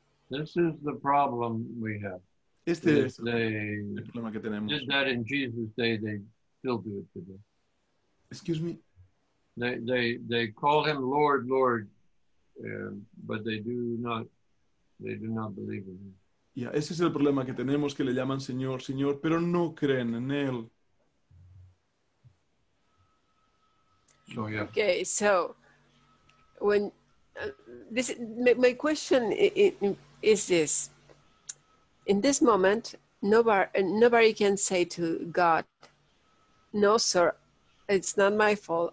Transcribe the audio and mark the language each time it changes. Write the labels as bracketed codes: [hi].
[en] This is the problem we have. [es] Este es el problema que tenemos. [en] Did that in Jesus' day, they still do it today. Excuse me? They call him Lord, Lord, but they do not believe in him. [es] Yeah, ese es el problema que tenemos, que le llaman Señor, Señor, pero no creen en él. [en] Oh, yeah. Okay, so when this, my question is this: in this moment, nobody can say to God, "No, sir, it's not my fault.